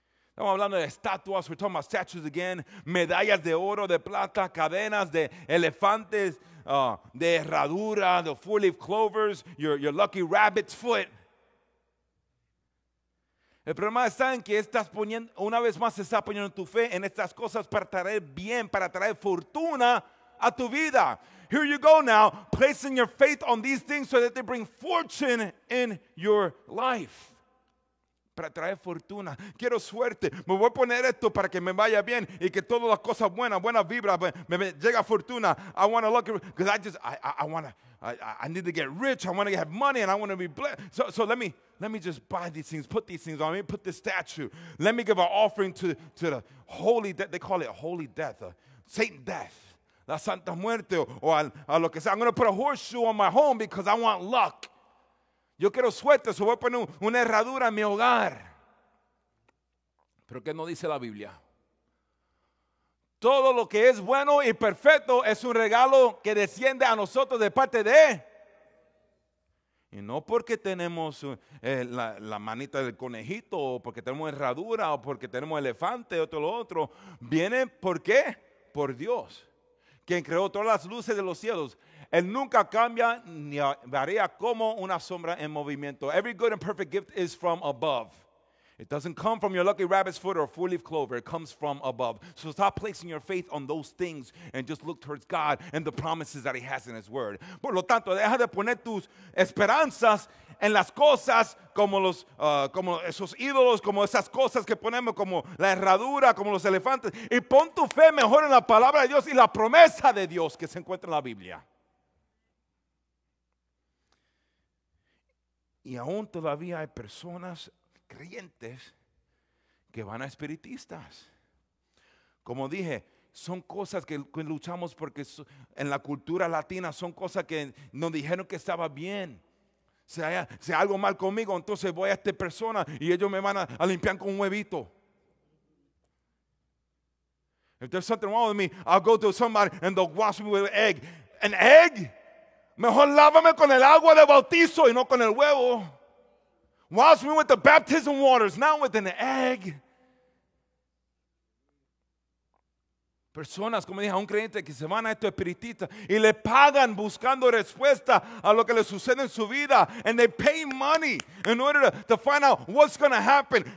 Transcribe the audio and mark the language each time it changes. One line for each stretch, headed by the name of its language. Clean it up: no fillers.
Spanish: Estamos hablando de estatuas,
English: we're talking about statues again,
Spanish: medallas de oro, de plata, cadenas de elefantes, de herradura,
English: the four leaf clovers, your lucky rabbit's foot.
Spanish: El problema está en que estás poniendo, una vez más estás poniendo tu fe en estas cosas para traer bien, para traer fortuna a tu vida.
English: Here you go now, placing your faith on these things so that they bring fortune in your life.
Spanish: para traer fortuna. Quiero suerte. Me voy a poner esto para que me vaya bien y que todas las cosas buenas, buenas vibras, me llega fortuna.
English: I want to look because I need to get rich. I want to have money and I want to be blessed. So let me just buy these things. Put these things on me. Put this statue. Let me give an offering to the holy death. They call it holy death, Satan death. La Santa Muerte, or
Spanish: a lo que sea.
English: I'm going to put a horseshoe on my home because I want luck.
Spanish: Yo quiero suerte, so voy a poner una herradura en mi hogar. Pero ¿qué no dice la Biblia? Todo lo que es bueno y perfecto es un regalo que desciende a nosotros de parte de. Y no porque tenemos la manita del conejito, o porque tenemos herradura, o porque tenemos elefante, o todo lo otro. Viene, ¿por qué? Por Dios. Quien creó todas las luces de los cielos. Él nunca cambia ni varía como una sombra en movimiento.
English: Every good and perfect gift is from above. It doesn't come from your lucky rabbit's foot or four-leaf clover. It comes from above. So stop placing your faith on those things and just look towards God and the promises that he has in his word.
Spanish: Por lo tanto, deja de poner tus esperanzas en las cosas como los como esos ídolos, como esas cosas que ponemos, como la herradura, como los elefantes. Y pon tu fe mejor en la palabra de Dios y la promesa de Dios que se encuentra en la Biblia. Y aún todavía hay personas creyentes que van a espiritistas. Como dije, son cosas que luchamos porque en la cultura latina son cosas que nos dijeron que estaba bien. Si hay algo mal conmigo, entonces voy a esta persona y ellos me van a limpiar con un huevito.
English: If there's something wrong with me, I'll go to somebody and they'll wash me with an egg. An egg?
Spanish: Mejor lávame con el agua de bautizo y no con el huevo.
English: Wash me with the baptism waters, not with an egg.
Spanish: Personas, como dije, a un creyente que se van a esto espiritista y le pagan buscando respuesta a lo que le sucede en su vida.
English: And they pay money in order to find out what's going to happen.